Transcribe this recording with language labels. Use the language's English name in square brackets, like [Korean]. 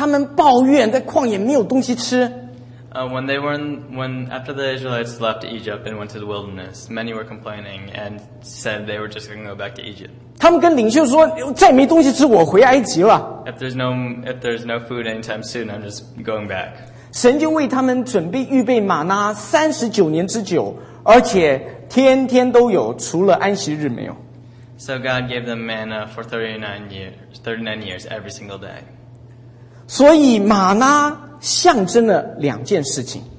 [Chinese] 当以色列民当时在埃及，在旷野吵着要回埃及的时候，他们抱怨在旷野没有东西吃。 [English] When they were after the Israelites left Egypt and went to the wilderness, many were complaining and said they were just going to go back to Egypt. [Chinese] 他们跟领袖说，再没东西吃，我回埃及了。 [English] If there's no food anytime soon, I'm just going back. [Chinese] 神就为他们准备预备玛拿39年之久。而且天天都有，除了安息日没有。 [English] So God gave them manna for 39 years every single day. [Chinese] 所以玛拿象征了两件事情。